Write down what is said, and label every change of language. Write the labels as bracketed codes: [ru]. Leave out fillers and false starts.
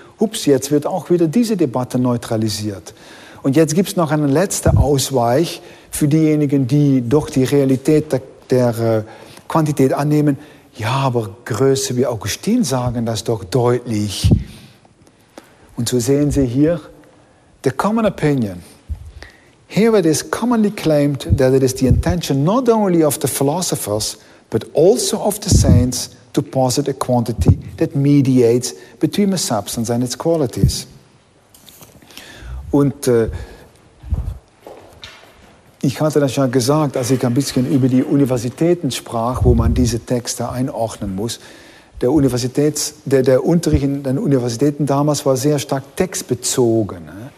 [de] Hups, jetzt wird auch wieder diese Debatte neutralisiert. Und jetzt gibt es noch eine letzte Ausweich für diejenigen, die doch die Realität der Quantität annehmen. Ja, aber Größe wie Augustin sagen das doch deutlich. Und so sehen Sie hier, [en] the common opinion. Here it is commonly claimed that it is the intention not only of the philosophers, but also of the saints to posit a quantity that mediates between a substance and its qualities. [de] Und ich hatte das ja gesagt, als ich ein bisschen über die Universitäten sprach, wo man diese Texte einordnen muss. Der Unterricht in den Universitäten damals war sehr stark textbezogen.